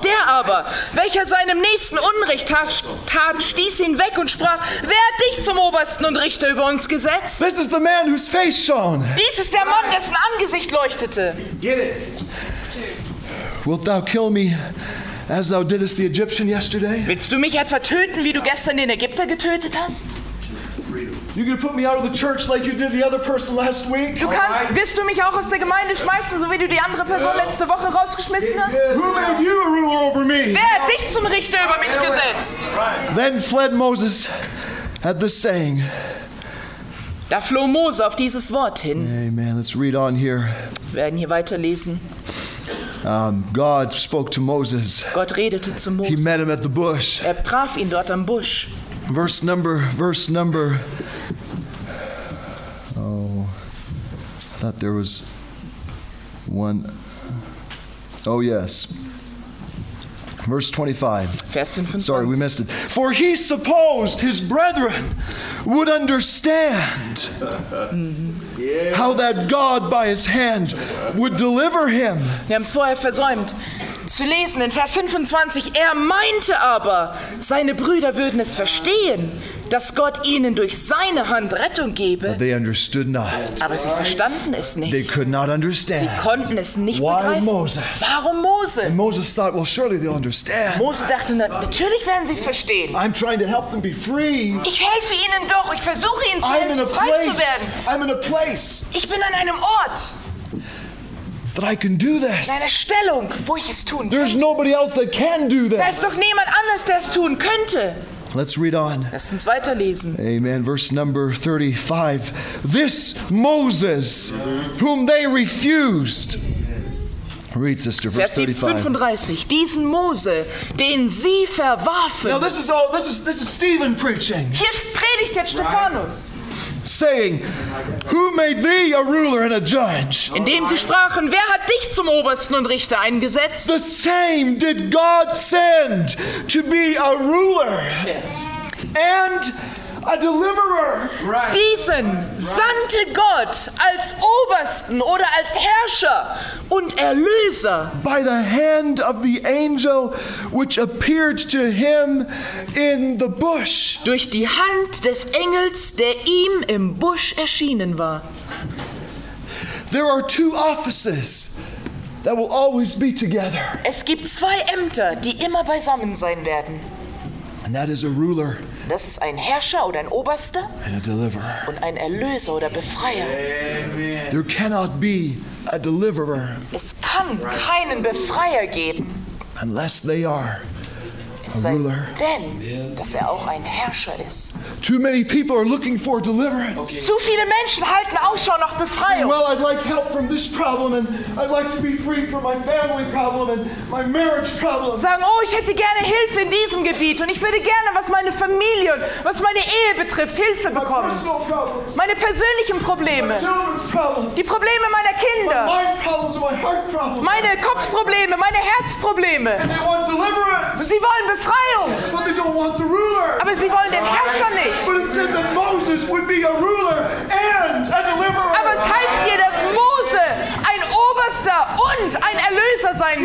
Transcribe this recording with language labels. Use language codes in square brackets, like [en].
[de] Der aber, welcher seinem Nächsten Unrecht tat, stieß ihn weg und sprach, "Wer hat dich zum Obersten und Richter über uns gesetzt?" [en] This is the man whose face shone. [de] Dies ist der Mann, dessen Angesicht leuchtete. [en] Get it. Wilt thou kill me? As thou didst the Egyptian yesterday? [de] Willst du mich etwa töten, wie du gestern den Ägypter getötet hast? [en] You gonna put me out of the church like you did the other person last week? [de] Du kannst, wirst du mich auch aus der Gemeinde schmeißen, so wie du die andere Person letzte Woche rausgeschmissen hast? [en] Who made you a ruler over me? [de] Wer hat dich zum Richter über mich gesetzt? [en] Then fled Moses at this saying. [de] Da floh Mose auf dieses Wort hin. [en] Amen. Let's read on here. [de] Wir werden hier weiterlesen. [en] God spoke to Moses. [de] Gott redete zu Mose. [en] He met him at the bush. [de] Er traf ihn dort am Busch. [en] Verse number. Oh, I thought there was one. Oh, yes. Verse 25. [de] Vers 25. [en] Sorry, we missed it. For he supposed his brethren would understand how that God by his hand would deliver him. [de] Wir haben es vorher versäumt zu lesen in Vers 25. Er meinte aber, seine Brüder würden es verstehen, dass Gott ihnen durch seine Hand Rettung gebe. [en] But they understood not. [de] Aber sie verstanden es nicht. [en] They could not understand. [de] Sie konnten es nicht begreifen. Warum Mose? [en] And Moses thought, well, surely they'll understand. [de] Mose dachte, natürlich werden sie es verstehen. [en] I'm trying to help them be free. [de] Ich helfe ihnen doch. Ich versuche ihnen zu helfen, frei zu werden. [en] I'm in a place. [de] Ich bin an einem Ort. [en] That I can do this. [de] In einer Stellung, wo ich es tun kann. [en] There's nobody else that can do this. [de] Da ist doch niemand anders, der es tun könnte. [en] Let's read on. [de] Lass uns weiterlesen. [en] Amen. Verse number 35. This Moses, whom they refused. Read, sister, verse [de] 35. Diesen Mose, den sie verwarfen. [en] Now this is all, this is Stephen preaching. [de] Hier predigt der Stephanus. [en] Saying, who made thee a ruler and a judge? [de] Indem sie sprachen, wer hat dich zum Obersten und Richter eingesetzt? [en] The same did God send to be a ruler. Yes. And a deliverer. Right. [de] Diesen sandte Gott als Obersten oder als Herrscher und Erlöser. [en] By the hand of the angel which appeared to him in the bush. [de] Durch die Hand des Engels, der ihm im Busch erschienen war. [en] There are two offices that will always be together. [de] Es gibt zwei Ämter, die immer beisammen sein werden. [en] And that is a ruler. [de] Das ist ein Herrscher oder ein Oberster [en] and a deliverer. [de] Und ein Erlöser oder Befreier. [en] There cannot be a deliverer. [de] Es kann keinen Befreier geben. [en] Unless they are [de] es sei [en] a ruler. [de] Denn, dass auch ein Herrscher ist. [en] Too many people are looking for deliverance. Okay. [de] Zu viele Menschen halten Ausschau nach Befreiung. [en] Well, I'd like help from this problem and I'd like to be free from my family problem and my marriage problem. [de] Sagen, oh, ich hätte gerne Hilfe in diesem Gebiet und ich würde gerne, was meine Familie und was meine Ehe betrifft, Hilfe bekommen. Meine persönlichen Probleme. Die Probleme meiner Kinder. Meine Kopfprobleme, meine Herzprobleme. Sie wollen Befreiung. Aber sie wollen den Herrscher nicht. [en] But it said that Moses would be a ruler and a deliverer. [de] Aber es heißt hier, dass Mose ein Oberster und ein Erlöser sein